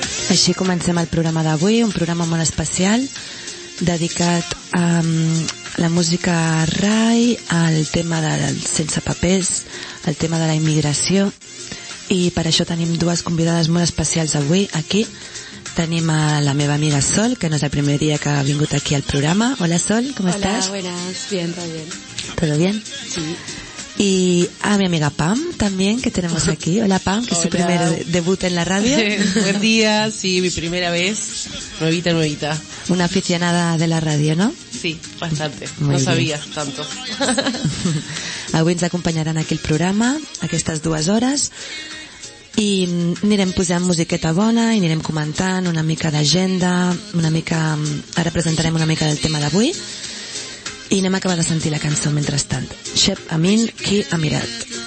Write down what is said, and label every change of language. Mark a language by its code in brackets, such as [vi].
[ca] Així comencem el programa d'avui, un programa molt especial dedicat a la música rai, al tema del sense papers, al tema de la immigració, i per això tenim dues convidades molt especials avui aquí. Tenim a la meva amiga Sol, que no és el primer dia que ha vingut aquí al programa. Hola Sol, com Hola, estàs? [es] Hola, buenas, bien, todo bien. ¿Todo bien? Sí. Y a mi amiga Pam también, que tenemos aquí. Hola Pam, que Hola. Es su primer debut en la radio. Buen día, sí, mi primera vez, nuevita, nuevita. Una aficionada de la radio, ¿no? Sí, bastante, muy no bien. Sabía tanto. [ca] Avui ens acompanyaran aquí el programa, aquestes dues hores, i anirem posant musiqueta bona i anirem comentant una mica d'agenda, una mica, ara presentarem una mica del tema d'avui. I anem a acabar de sentir la cançó mentrestant. Chep Amin, Qui ha mirat.